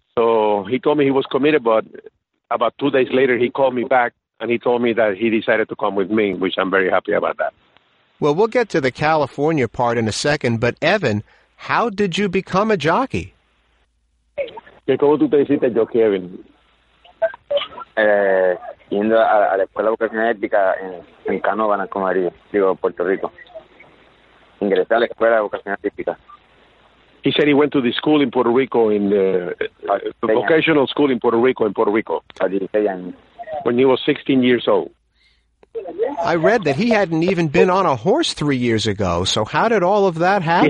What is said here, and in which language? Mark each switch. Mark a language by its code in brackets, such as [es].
[en] So he told me he was committed, but about 2 days later, he called me back, and he told me that he decided to come with me, which I'm very happy about that. Well, we'll get to the California part in a second, but Evin, how did you become a jockey? [es] ¿Cómo tú te hiciste jockey, Evin? Yendo a la Escuela Vocacional Ética en Canóvanas, como diría, digo, Puerto Rico. Ingresé a la Escuela Vocacional Ética. [en] He said he went to the school in Puerto Rico, in the vocational school in Puerto Rico. [es] A 16 años. [en] When he was 16 years old. I read that he hadn't even been on a horse 3 years ago, so how did all of that happen?